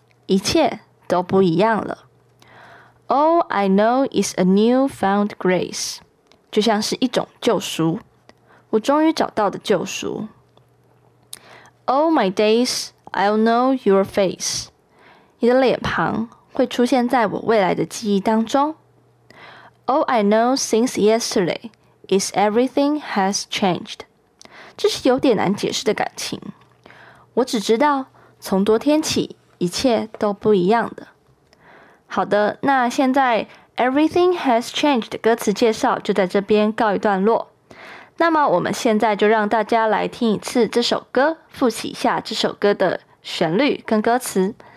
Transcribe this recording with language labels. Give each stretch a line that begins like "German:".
Chinese: 一切都不一样了。
English: All I know is a new found grace.
Chinese: 就像是一种救赎。我终于找到的救赎。
English: All my days, I'll know your face.
Chinese: 你的脸庞会出现在我未来的记忆当中。
English: All I know since yesterday is everything has changed.
Chinese: 这是有点难解释的感情。我只知道从昨天起一切都不一样的。好的，那现在 Everything has changed 的歌词介绍就在这边告一段落。那么我们现在就让大家来听一次这首歌，复习一下这首歌的旋律跟歌词。